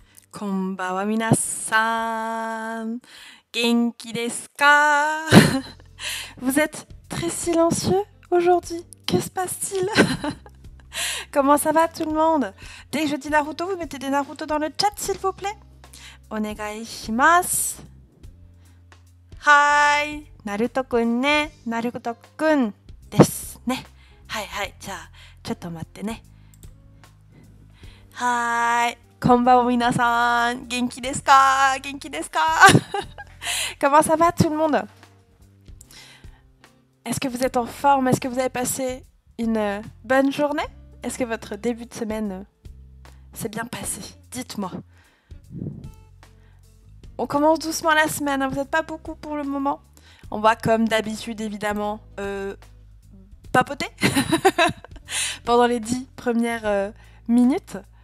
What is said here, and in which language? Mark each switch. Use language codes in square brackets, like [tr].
[ja] こんばんは皆さん、元気ですか？ [fr] Vous êtes très silencieux aujourd'hui. Que se passe-t-il? Comment ça va tout le monde? Dès que je dis Naruto, vous mettez des Naruto dans le chat s'il vous plaît. [ja] Onegai shimasu. Hi, Naruto-kun ne, Naruto-kun desu ne. Hai hai, ja, chotto matte ne. Hi. こんばんは皆さん、元気ですか？元気ですか？ [fr] Comment ça va tout le monde? Est-ce que vous êtes en forme? Est-ce que vous avez passé une bonne journée? Est-ce que votre début de semaine s'est bien passé? Dites-moi. On commence doucement la semaine, vous n'êtes pas beaucoup pour le moment. On va comme d'habitude évidemment papoter pendant les 10 premières minutes.